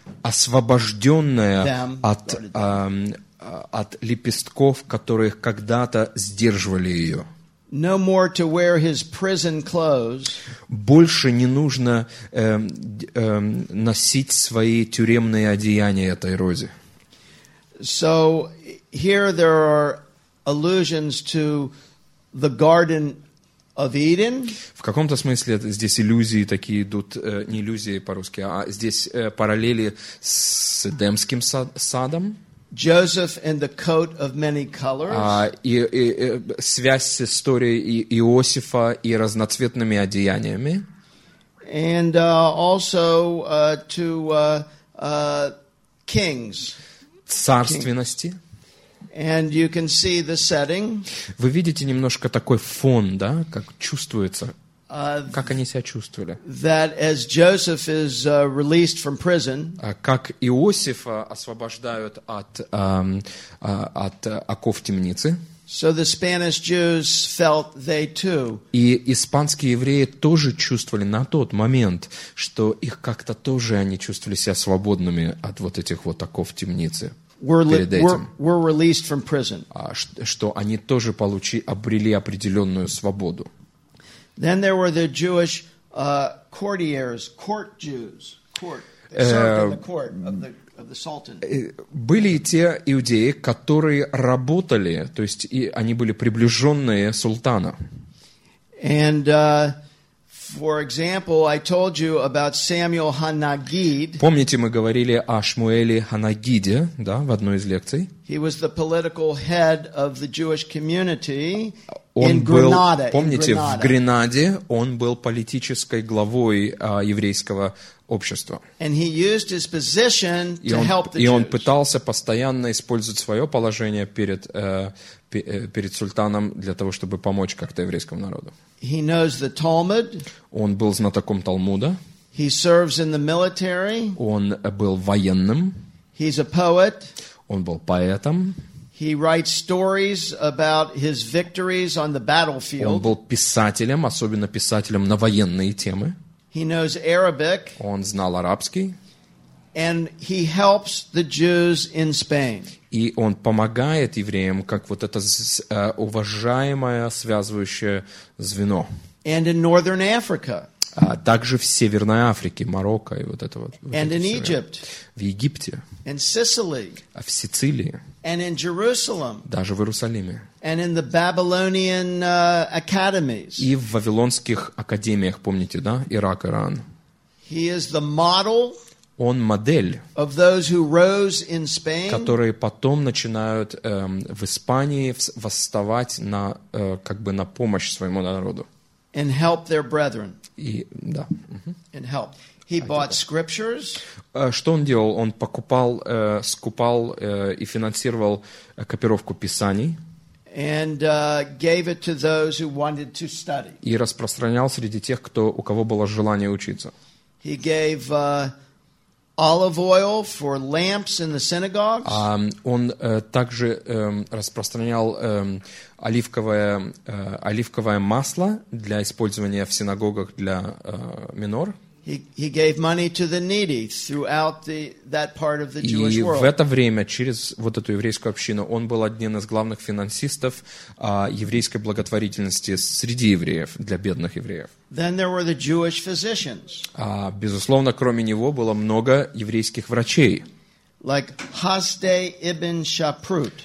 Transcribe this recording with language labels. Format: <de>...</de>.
<ru>Освобожденная от лепестков, которых когда-то сдерживали ее.</ru> <en>No more to wear his prison clothes.</en> <ru>Больше не нужно носить свои тюремные одеяния этой розы.</ru> <en>So here there are allusions to the Garden of Eden.</en> <ru>В каком-то смысле здесь иллюзии такие идут, не иллюзии по-русски, а здесь параллели с Эдемским садом.</ru> <en>Joseph and the coat of many colors.</en> <ru>Связь с историей Иосифа и разноцветными одеяниями.</ru> <en>And also to kings.</en> <ru>Царственности.</ru> <en>And you can see the setting.</en> <ru>Вы видите немножко такой фон, да, как чувствуется, как они себя чувствовали.</ru> <en>That as Joseph is released from prison,</en> <ru>как Иосифа освобождают от оков темницы.</ru> <en>So the Spanish Jews felt they too.</en> <ru>И испанские евреи тоже чувствовали на тот момент, что их как-то тоже они чувствовали себя свободными от вот этих вот оков темницы.</ru> <en>Were released from prison.</en> <ru>Что они тоже обрели определенную свободу.</ru> <en>Then there were the Jewish courtiers, court Jews, court. They served in the court of the sultan.</en> <ru>Были и те иудеи, которые работали, то есть и они были приближенные султана.</ru> <en>And for example, I told you about Samuel Hanagid.</en> <ru>Помните, мы говорили о Шмуэле Ханагиде, да, в одной из лекций?</ru> <en>He was the political head of the Jewish community in Granada.</en> <ru>Помните, в Гренаде он был политической главой еврейского общества.</ru> <en>And he used his position to help the Jews.</en> <ru>И он пытался постоянно использовать свое положение перед перед султаном для того, чтобы помочь как-то еврейскому народу.</ru> <en>He knows the Talmud.</en> <ru>Он был знатоком Талмуда.</ru> <en>He serves in the military.</en> <ru>Он был военным.</ru> <en>He's a poet.</en> <ru>Он был поэтом.</ru> <en>He writes stories about his victories on the battlefield.</en> <ru>Он был писателем, особенно писателем на военные темы.</ru> <en>He knows Arabic.</en> <ru>Он знал арабский.</ru> <en>And he helps the Jews in Spain.</en> <ru>И он помогает евреям, как вот это уважаемое связывающее звено.</ru> <en>And in Northern Africa.</en> <ru>А также в Северной Африке, Марокко и вот это вот.</ru> <en>And in Egypt.</en> <ru>В Египте.</ru> <en>And Sicily.</en> <ru>А в Сицилии.</ru> <en>And in Jerusalem.</en> <ru>Даже в Иерусалиме.</ru> <en>And in the Babylonian academies.</en> <ru>И в вавилонских академиях, помните, да? Ирак, Иран.</ru> <en>He is the model.</en> <ru>Он модель,</ru> <en>of those who rose in Spain,</en> <ru>которые потом начинают в Испании восставать на, как бы на помощь своему народу.</ru> <en>And help their brethren.</en> <ru>И, да.</ru> <en>And help. He bought scriptures.</en> <ru>Что он делал? Он покупал, скупал и финансировал копировку писаний.</ru> <en>And gave it to those who wanted to study.</en> <ru>И распространял среди тех, кто, у кого было желание учиться.</ru> <en>He gave olive oil for lamps in the synagogues.</en> <ru>Он также распространял оливковое масло для использования в синагогах для минор.</ru> <en>He gave money to the needy throughout that part of the Jewish world.</en> <ru>И в это время через вот эту еврейскую общину он был одним из главных финансистов еврейской благотворительности среди евреев для бедных евреев.</ru> <en>Then there were the Jewish physicians.</en> <ru>Безусловно, кроме него было много еврейских врачей.</ru> <en>Like Хасдей ибн Шапрут.</en>